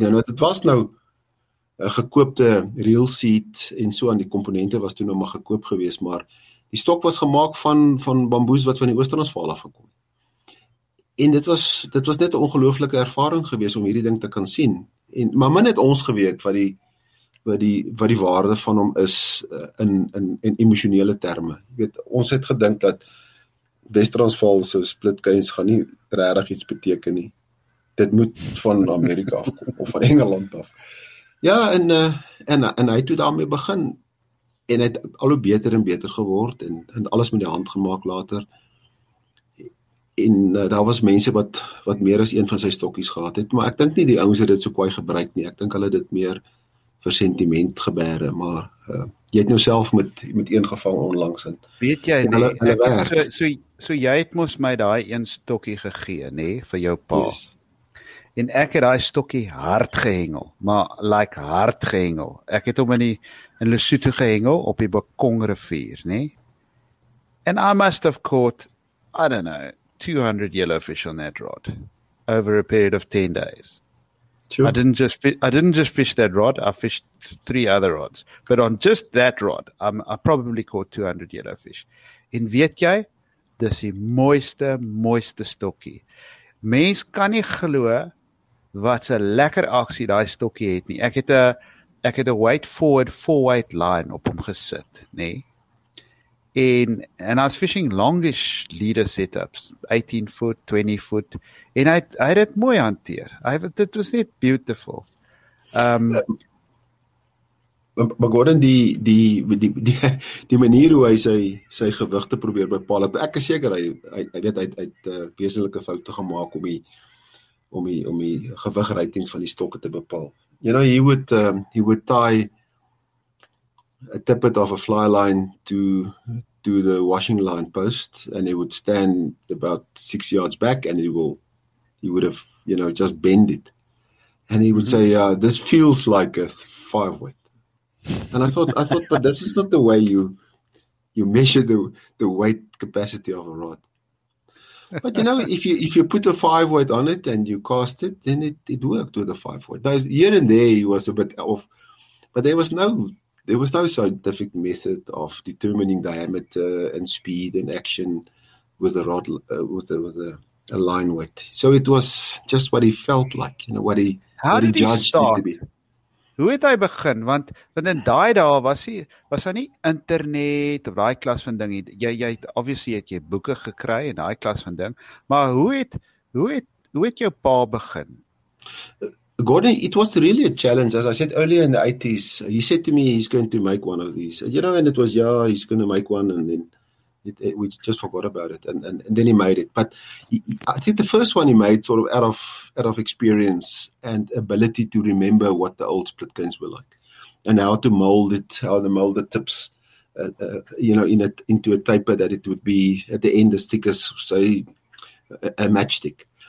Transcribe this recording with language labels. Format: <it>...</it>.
<af>Nou dit was nou 'n gekoopte reel seat en so aan, die komponente was toe nou maar gekoop gewees, maar die stok was gemaak van bamboes wat van die Oos-Transvaal af gekom het. En dit was net 'n ongelooflike ervaring gewees om hierdie ding te kan sien. En maar min het ons geweet wat die waarde van hom is in emosionele terme. Jy weet, ons het gedink dat Wes-Transvaal so splitkeins gaan nie regtig iets beteken nie. Dit moet van Amerika afkom of van Engeland af. Ja, en hy het toe daarmee begin. En het al hoe beter en beter geword, en alles met die hand gemaakt later. En daar was mense wat meer as een van sy stokkies gehad het, maar ek dink nie die ouens het dit so kwaai gebruik nie, ek dink hulle dit meer vir sentiment gebeere, maar jy het nou self met een gevang onlangs. En, weet jy, en hulle, nee, hulle werk. So jy het mos my daai een stokkie gegee, nee, vir jou pa. Yes. En ek het daai stokkie hard gehengel, maar like hard gehengel. Ek het hom in Lesotho gehengel op die Bokong rivier, nee.</af> <en>And I must have caught, I don't know, 200 yellowfish on that rod over a period of 10 days. Sure. I didn't just fish that rod, I fished three other rods. But on just that rod, I probably caught 200 yellowfish.</en> <af>En weet jy, dis die mooiste, mooiste stokkie. Mens kan nie glo wat 'n lekker aksie daai stokkie het nie. Ek het 'n weight forward four weight line op hom gesit, nê?</af> <en>En I was fishing longish leader setups, 18 foot, 20 foot,</en> <af>en hy het dit mooi hanteer. Dit was net beautiful. Maar Gordon, die manier hoe hy sy gewigte probeer bepaal, dat ek is seker hy het wesentlike foute gemaak om die gewigrating van die stokke te bepaal.</af> <en>You know, he would tie a tippet of a fly line to the washing line post, and it would stand about 6 yards back, and he would have, you know, just bend it. And he would say, this feels like a five weight. And I thought, but this is not the way you measure the weight capacity of a rod. But you know, if you put a five weight on it and you cast it, then it worked with a five weight. Now, here and there he was a bit off, but there was no scientific method of determining diameter and speed and action with a rod with a line weight. So it was just what he felt like, you know, what he judged it to be.</en> <af>Hoe het hy begin? Want in daai dae was hy nie internet of daai klas van ding. Jy het obviously het jy boeke gekry en daai klas van ding. Maar hoe het jou pa begin?</af> <en>Gordon, it was really a challenge. As I said earlier in the 80s, he said to me he's going to make one of these. You know, and it was, yeah, he's going to make one. And then we just forgot about it. And then he made it. But I think the first one he made sort of out of experience and ability to remember what the old split canes were like and how to mold it, how to mold the tips, you know, into a taper that it would be at the end as thick as, say, a matchstick.</en>